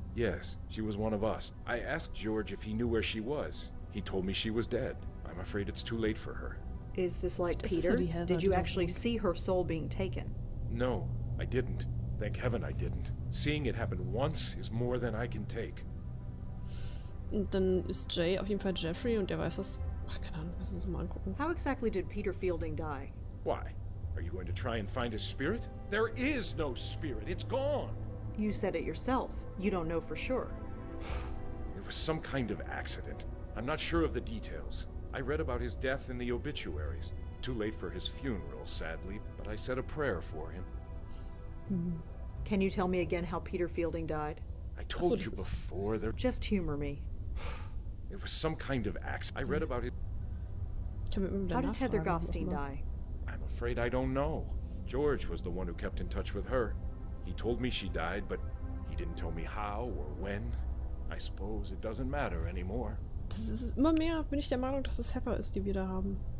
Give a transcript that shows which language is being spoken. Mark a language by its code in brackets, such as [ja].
[en] Yes, she was one of us. I asked George if he knew where she was. He told me she was dead. I'm afraid it's too late for her. Is this like Peter? Did you actually see her soul being taken? No, I didn't. Thank heaven I didn't. Seeing it happen once is more than I can take. [de] Und dann ist Jay auf jeden Fall Jeffrey und der weiß das. Ach, keine Ahnung, wir müssen es mal angucken. [en] How exactly did Peter Fielding die? Why? Are you going to try and find his spirit? There is no spirit. It's gone. You said it yourself. You don't know for sure. It was some kind of accident. I'm not sure of the details. I read about his death in the obituaries. Too late for his funeral, sadly, but I said a prayer for him. Can you tell me again how Peter Fielding died? I told you before there... Just humor me. It was some kind of accident. I read about his... How did Heather Goffstein die? I'm afraid I don't know. George was the one who kept in touch with her. He told me she died, but he didn't tell me how or when. I suppose it doesn't matter anymore. [de] Das ist immer mehr, bin ich der Meinung, dass es Heather ist, die wir da haben.